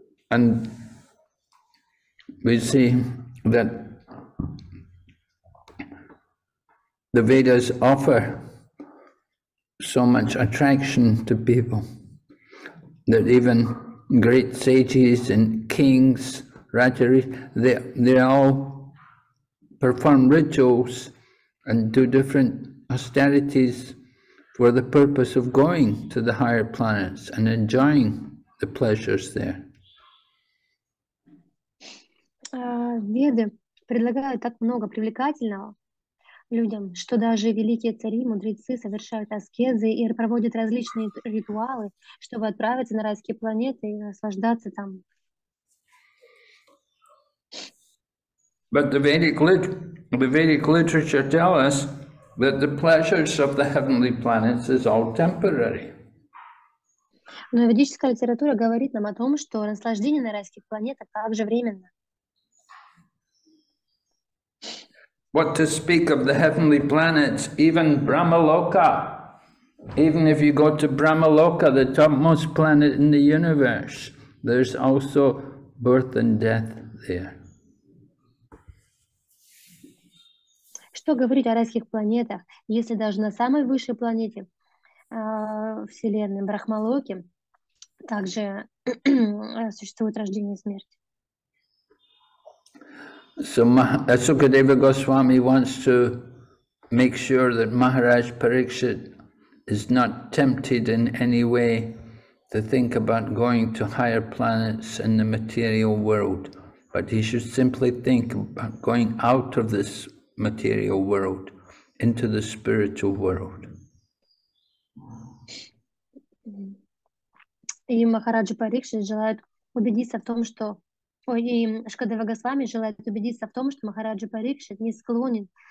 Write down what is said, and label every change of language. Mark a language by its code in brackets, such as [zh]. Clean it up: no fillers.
[en] And we see that the Vedas offer so much attraction to people that even great sages and kings, Rajaris, they all perform rituals and do different austerities for the purpose of going to the higher planets and enjoying the pleasures there. [ru] Веды предлагают так много привлекательного людям, что даже великие цари, мудрецы совершают аскезы и проводят различные ритуалы, чтобы отправиться на райские планеты и наслаждаться там. [en] But the Vedic literature tells us that the pleasures of the heavenly planets is all temporary. [ru] Но ведическая литература говорит нам о том, что наслаждение на райских планетах также временно. [en] What to speak of the heavenly planets, even Brahmaloka. Even if you go to Brahmaloka, the topmost planet in the universe, there's also birth and death there. [ru] Что говорить о райских планетах, если даже на самой высшей планете Вселенной, Брахмалоке, также существует рождение и смерть? [en] So Sukadeva Goswami wants to make sure that Maharaj Parikshit is not tempted in any way to think about going to higher planets in the material world, but he should simply think about going out of this material world into the spiritual world. [ru] И Махарадж Парикшит желает убедиться в том, что И Шукадева Госвами желает убедиться в том, что Махараджа Парикшит не склонен